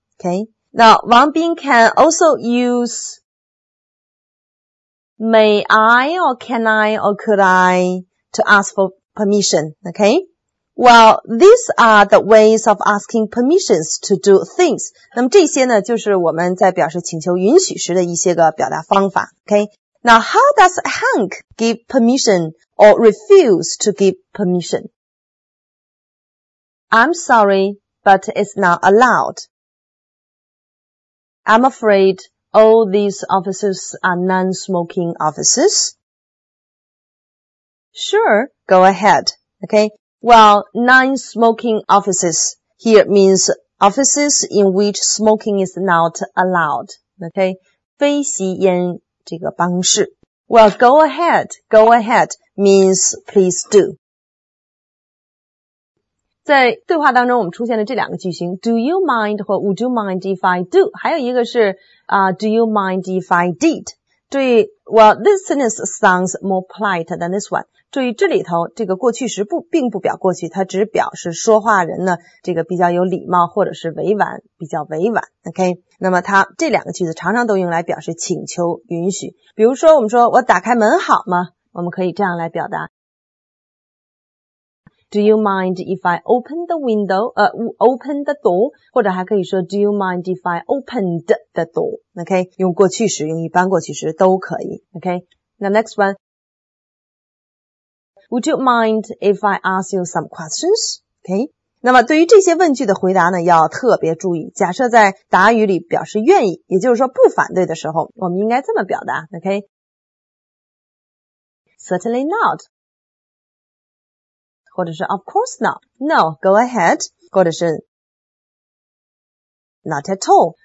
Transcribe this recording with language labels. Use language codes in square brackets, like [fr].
[en] Okay. Now, Wang Bing can also use may I or can I or could I to ask for permission. Okay. Well, these are the ways of asking permissions to do things. [zh] 那么这些呢，就是我们在表示请求允许时的一些个表达方法。 [en] Okay? Now, how does Hank give permission or refuse to give permission? I'm sorry, but it's not allowed. I'm afraid all these offices are non-smoking offices. Sure, go ahead. Okay? Well, non-smoking offices here means offices in which smoking is not allowed. Okay, [zh] 非吸烟这个办公室。 [en] Well, go ahead means please do. [zh] 在对话当中，我们出现了这两个句型 ： [en] Do you mind [zh] 或 [en] Would you mind if I do？ [zh] 还有一个是啊、 [en] Do you mind if I did？ [zh] 对 [en] ，Well, this sentence sounds more polite than this one. [zh] 注意这里头这个过去时不并不表过去，它只表示说话人呢这个比较有礼貌或者是委婉，比较委婉。 OK， 那么它这两个句子常常都用来表示请求允许。比如说我们说我打开门好吗？我们可以这样来表达 [en] ：Do you mind if I open the window？ Open the door， 或者还可以说 Do you mind if I opened the door？OK，、okay? [zh] 用过去时，用一般过去时都可以。 [en] OK， [zh] 那 [en] next one。 Would you mind if I ask you some questions? Okay. [zh] 那么对于这些问句的回答呢，要特别注意。假设在答语里表示愿意，也就是说不反对的时候，我们应该这么表达。 [en] Okay. Certainly not. [zh] 或者是 [en] Of course not. No, go ahead. 或者是 Not at all.